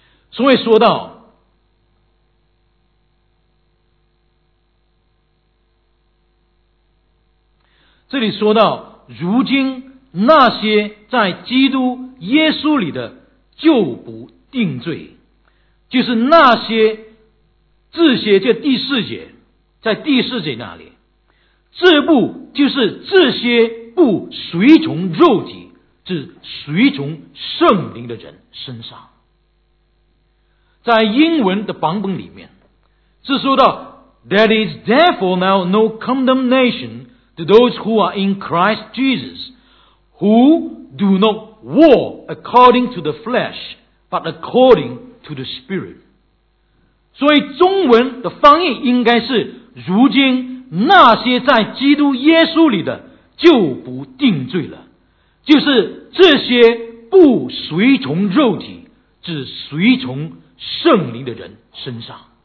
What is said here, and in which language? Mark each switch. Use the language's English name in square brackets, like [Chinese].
[Chinese] 所以说到这里说到如今那些在基督耶稣里的就不定罪，就是那些这些就第四节，在第四节那里这不就是这些不随从肉体只随从圣灵的人身上。在英文的版本里面是说到 [English] There is therefore now no condemnation to those who are in Christ Jesus who do not war according to the flesh but according to the Spirit. [Chinese] 所以中文的翻译应该是如今那些在基督耶稣里的就不定罪了，就是这些不随从肉体只随从圣灵的人身上。